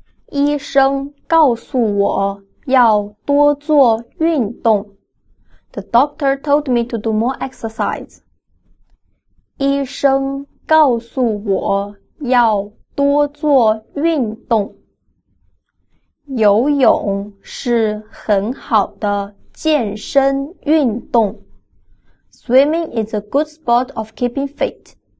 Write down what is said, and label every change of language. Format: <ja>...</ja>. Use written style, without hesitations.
<zh>医生告诉我要多做运动。</zh> <en>The doctor told me to do more exercise.</en> <zh>医生告诉我要多做运动。游泳是很好的健身运动。</zh> <en>Swimming is a good sport of keeping fit.</en>